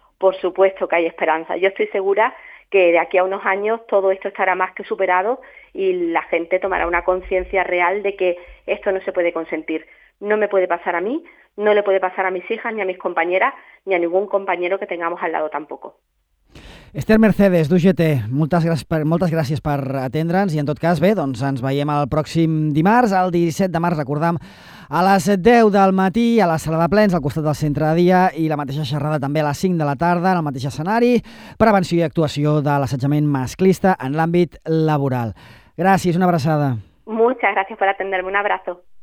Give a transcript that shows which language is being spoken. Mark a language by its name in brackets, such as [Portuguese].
[Spanish] Por supuesto que hay esperanza. Yo estoy segura que de aquí a unos años todo esto estará más que superado y la gente tomará una conciencia real de que esto no se puede consentir. No me puede pasar a mí, no le puede pasar a mis hijas, ni a mis compañeras, ni a ningún compañero que tengamos al lado tampoco. [Catalan] Esther Mercedes, d'UGT, moltes gràcies per atendre'ns i en tot cas, bé, doncs ens veiem el pròxim dimarts, el 17 de març, recordem, a les 10 del matí, a la sala de plens, al costat del centre de dia, i la mateixa xerrada també a les 5 de la tarda, en el mateix escenari, prevenció i actuació de l'assetjament masclista en l'àmbit laboral. Gràcies, una abraçada. [Spanish] Muchas gracias por atenderme, un abrazo.